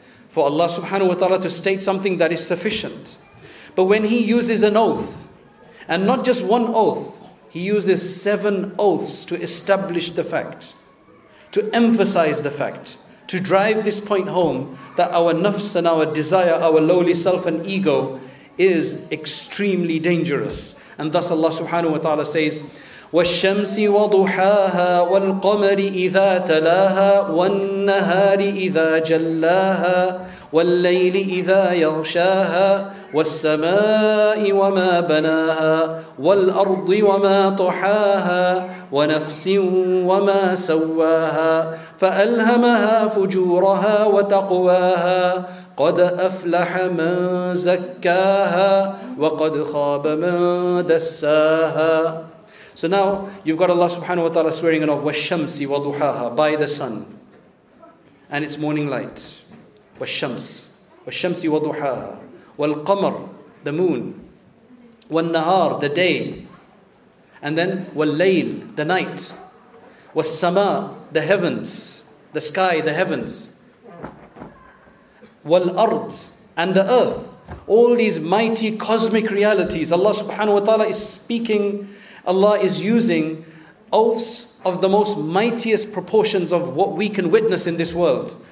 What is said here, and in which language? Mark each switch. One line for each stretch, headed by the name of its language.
English: For Allah subhanahu wa ta'ala to state something that is sufficient. But when He uses an oath, and not just one oath, He uses seven oaths to establish the fact, to emphasize the fact, to drive this point home that our nafs and our desire, our lowly self and ego is extremely dangerous.
Arabic: And thus Allah subhanahu wa ta'ala says, وَالشَّمْسِ وَضُحَاهَا وَالْقَمَرِ إِذَا تَلَاهَا وَالنَّهَارِ إِذَا جَلَّاهَا وَاللَّيْلِ إِذَا يَغْشَاهَا وَالسَّمَاءِ وَمَا بَنَاهَا وَالْأَرْضِ وَمَا طَحَاهَا وَنَفْسٍ وَمَا سَوَّاهَا فَأَلْهَمَهَا فُجُورَهَا وَتَقْوَاهَا قَدْ أَفْلَحَ مَنْ زَكَّاهَا وَقَدْ خَابَ مَنْ دَسَّاهَا.
English: So now you've got Allah subhanahu wa ta'ala swearing an oath,
Arabic: وَالشَّمْسِ وَضُحَاهَا,
English: by the sun and its morning light.
Arabic: وَالشَّمْسِ وَضُحَاهَا وَالْقَمَرْ,
English: the moon. وَالنَّهَارْ, the day. And then وَاللَّيْل, the night. وَالسَّمَاء, the heavens, the sky, the heavens. وَالْأَرْضِ, and the earth. All these mighty cosmic realities, Allah subhanahu wa ta'ala is speaking, Allah is using oaths of the most mightiest proportions of what we can witness in this world.